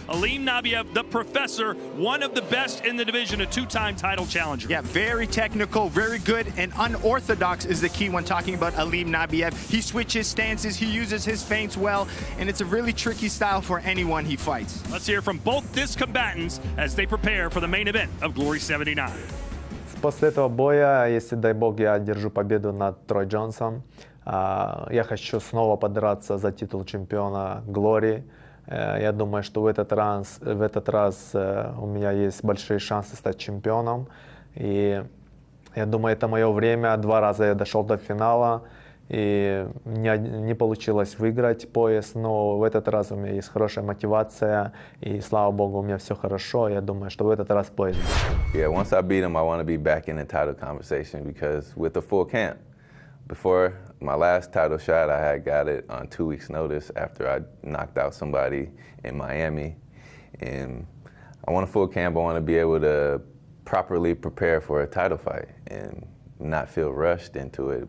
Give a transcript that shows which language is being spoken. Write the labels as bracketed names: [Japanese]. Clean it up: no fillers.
[English] Alim Nabiyev, the professor, one of the best in the division, a 2-time title challenger. Yeah, very technical, very good, and unorthodox is the key when talking about Alim Nabiyev. He switches stances, he uses his feints well, and it's a really tricky style for anyone he fights. Let's hear from both these combatants as they prepare for the main event of Glory 79. [Russian] После этого боя, если дай бог, я одержу победу над Трой Джонсом, я хочу снова подраться за титул чемпиона Glory. Я думаю, что в этот раз у меня есть большие шансы стать чемпионом. И я думаю, это мое время. 2 раза я дошел до финала, и не получилось выиграть пояс. Но в этот раз у меня есть хорошая мотивация, и слава богу, у меня все хорошо. Я думаю, что в этот раз пояс. [English] Yeah, once I beat him, I want to be back in the title conversation, because with a full camp. Before my last title shot, I had got it on 2 weeks' notice after I knocked out somebody in Miami. And I want a full camp. I want to be able to properly prepare for a title fight and not feel rushed into it.